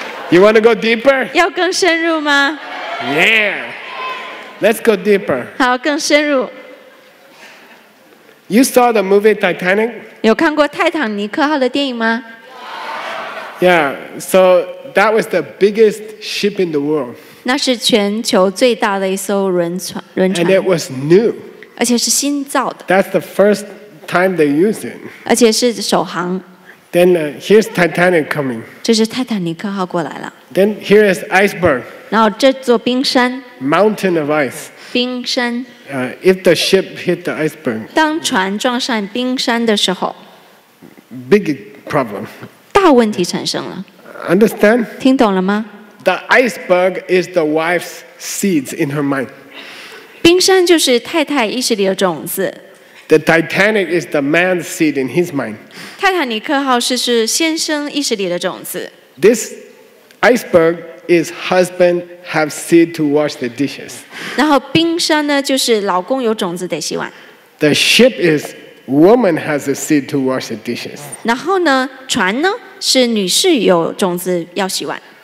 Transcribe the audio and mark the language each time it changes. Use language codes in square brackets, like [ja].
[en] You want to go deeper? [zh] 要更深入吗 [en] ？Yeah, let's go deeper. [zh] 好，更深入。 [en] You saw the movie Titanic? [zh] 有看过泰坦尼克号的电影吗 [en] ？Yeah, so that was the biggest ship in the world. [zh] 那是全球最大的一艘轮船。 [en] And it was new. [zh] 而且是新造的。 [en] That's the first time they used it. [zh] 而且是首航。 [en] Then here's Titanic coming. [zh] 这是泰坦尼克号过来了。 [en] Then here is iceberg. [zh] 然后这座冰山。 [en] Mountain of ice. [zh] 冰山。 [en] If the ship hit the iceberg. [zh] 当船撞上冰山的时候。 [en] Big problem. [zh] 大问题产生了。 [en] Understand? [zh] 听懂了吗？ [en] The iceberg is the wife's seeds in her mind. [zh] 冰山就是太太意识里的种子。 [en] The Titanic is the man's seed in his mind. [zh] 泰坦尼克号是先生意识里的种子。 [en] This iceberg. Is husband have seed to wash the dishes? [zh] 然后冰山呢，就是老公有种子得洗碗。 [en] The ship is woman has a seed to wash the dishes. [zh] 然后呢，船呢是女士有种子要洗碗。